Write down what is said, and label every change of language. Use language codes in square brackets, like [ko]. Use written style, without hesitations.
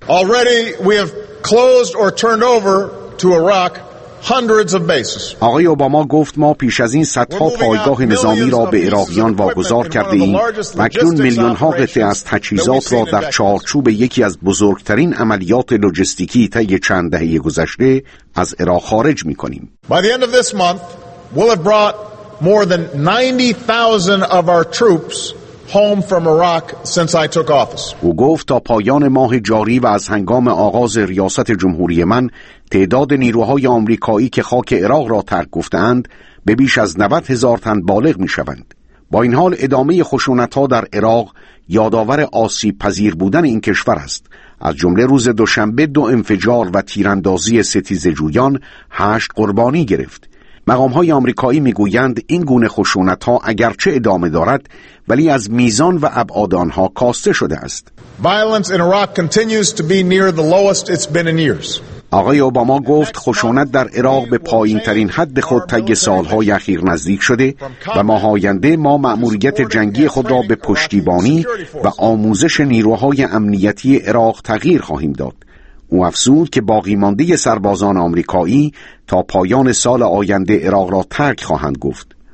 [en] Already we have closed or turned over to Iraq hundreds of bases. [fa] آقای اوباما گفت ما پیش از این صدها پایگاه نظامی را به عراقیان واگذار کرده ایم و اکنون میلیون‌ها قطعه از تجهیزات را در چارچوب یکی از بزرگترین عملیات لوجستیکی طی چند دهه گذشته از عراق خارج می‌کنیم. [en] By the end of this month we'll have brought more than 90,000 of our troops home from Iraq since I took office. [fa] او گفت تا پایان ماه جاری و از هنگام آغاز ریاست جمهوری من تعداد نیروهای آمریکایی که خاک عراق را ترک گفتند به بیش از 90,000 تن بالغ می شوند. با این حال ادامه خشونت ها در عراق یادآور آسیب پذیر بودن این کشور است. از جمله روز دوشنبه دو انفجار و تیراندازی ستیزه جویان 8 قربانی گرفت. مقام‌های آمریکایی می‌گویند این گونه خشونت‌ها اگرچه ادامه دارد ولی از میزان و ابعاد آنها کاسته شده است. [en] Violence in Iraq continues to be near the lowest it's been in years. [fa] آقای اوباما گفت خشونت در عراق به پایین‌ترین حد خود طی سال‌های اخیر نزدیک شده و ماه آینده ما مأموریت جنگی خود را به پشتیبانی و آموزش نیروهای امنیتی عراق تغییر خواهیم داد. او افزود که باقی‌مانده سربازان آمریکایی تا پایان سال آینده عراق را ترک خواهند گفت.